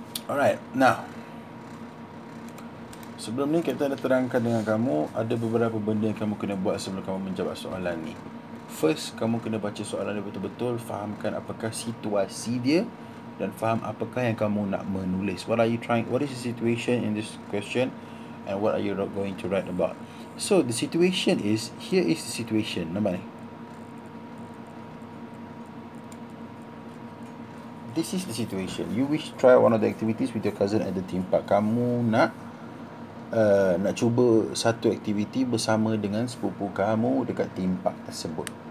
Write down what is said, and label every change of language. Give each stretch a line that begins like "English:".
English: Alright, now
Malay: sebelum ni kita dah terangkan dengan kamu ada beberapa benda yang kamu kena buat sebelum kamu menjawab soalan ni. First, kamu kena baca soalan dia betul-betul, fahamkan apakah situasi dia dan faham apakah yang kamu nak menulis.
English: What are you trying? What is the situation in this question and what are you going to write about? So, the situation is, here is the situation.
Malay: Nampak ni?
English: This is the situation. You wish to try one of the activities with your cousin at the theme park.
Malay: Kamu nak nak cuba satu aktiviti bersama dengan sepupu kamu dekat theme park tersebut.